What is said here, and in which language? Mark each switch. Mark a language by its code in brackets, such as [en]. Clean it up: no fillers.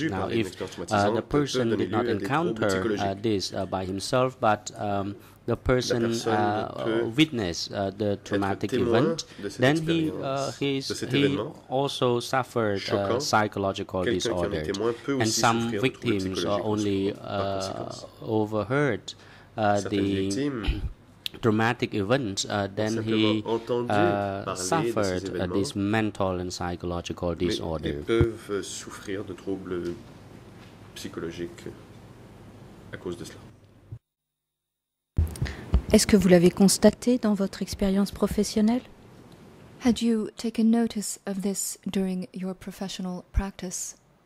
[en] Now, if the person did not encounter this by himself, but the person witnessed the traumatic event, then he also suffered a psychological disorder. And some victims only overheard the traumatic event, then he suffered this mental and psychological disorder. [fr] Mais peuvent souffrir de troubles psychologiques à cause de cela. Est-ce que vous l'avez constaté dans votre expérience professionnelle? [en] Had you taken notice of this during your professional practice?